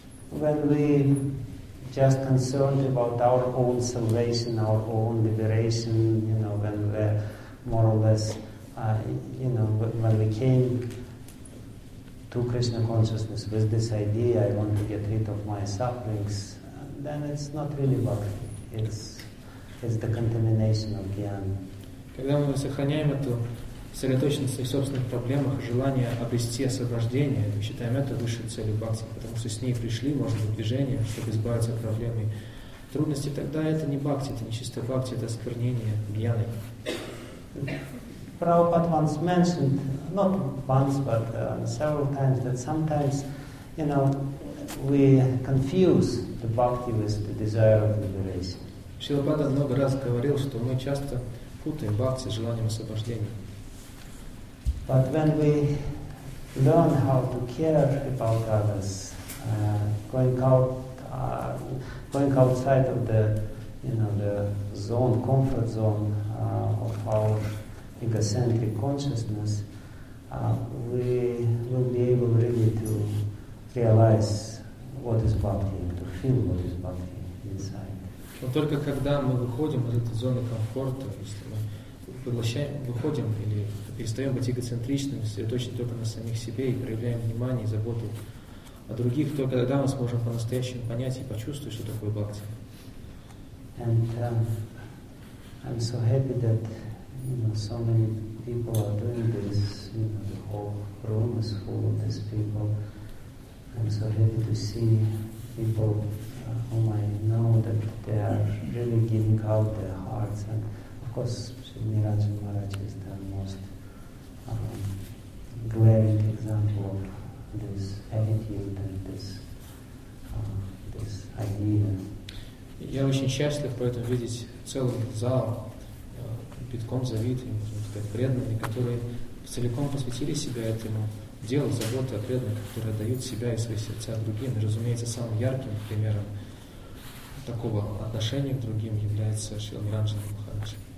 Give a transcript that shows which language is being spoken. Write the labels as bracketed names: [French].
[English] When we just concerned about our own salvation, our own liberation, you know, when we more or less, you know, when we came to Krishna consciousness with this idea, I want to get rid of my sufferings, then it's not really bhakti. It's the contamination of jnana. [Russian] Когда мы сохраняем эту сосредоточенность в своих собственных проблемах, желание обрести освобождение, мы считаем это высшей целью бхакти, потому что с ней пришли, может быть, движение, чтобы избавиться от проблем и трудностей, тогда это не бхакти, это не чистая бхакти, это осквернение джаны. [English] Prabhupada once mentioned, not once, but several times, that sometimes, you know, we confuse the bhakti with the desire of liberation. [Russian] Шрила Прабхупада много раз говорил, что мы часто путаем бхакти с желанием освобождения. [English] But when we learn how to care about others, going outside of the, you know, the zone, comfort zone of our egocentric consciousness, we will be able really to realize what is bhakti, to feel what is bhakti inside. [Russian] Но только когда мы выходим из этой зоны комфорта, если мы выходим или перестаем быть эгоцентричными, сосредоточены только на самих себе и проявляем внимание и заботу о других, только тогда мы сможем по-настоящему понять и почувствовать, что такое бхакти. [English] And I'm so happy that, you know, so many people are doing this, you know, the whole room is full of these people. I'm so happy to see people whom I know that they are really giving out their hearts. And of course, Sri Niraj Maharaj is the most glaring example of this attitude and this this idea. [Russian] Я очень счастлив поэтому видеть целый зал битком завит, преданные, которые целиком посвятили себя этому делу, заботы о преданных, которые отдают себя и свои сердца другим. И, разумеется, самым ярким примером такого отношения к другим является Шрила Ниранджана Махараджа.